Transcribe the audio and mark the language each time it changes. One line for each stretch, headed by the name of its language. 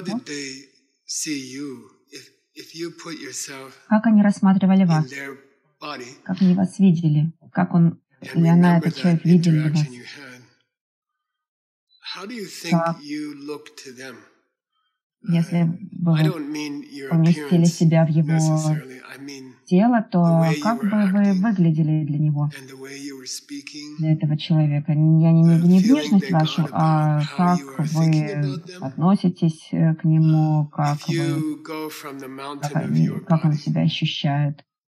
English: did they see you if you put yourself in their body?
Russian: Как они вас видели? Как он или она, этот человек, видели вас?
English: How do you think you look to them?
Russian: Если бы вы поместили себя в его тело, то как бы вы выглядели для него, для этого человека? Я не имею в виду внешность вашу, а как вы относитесь к нему, как он себя ощущает.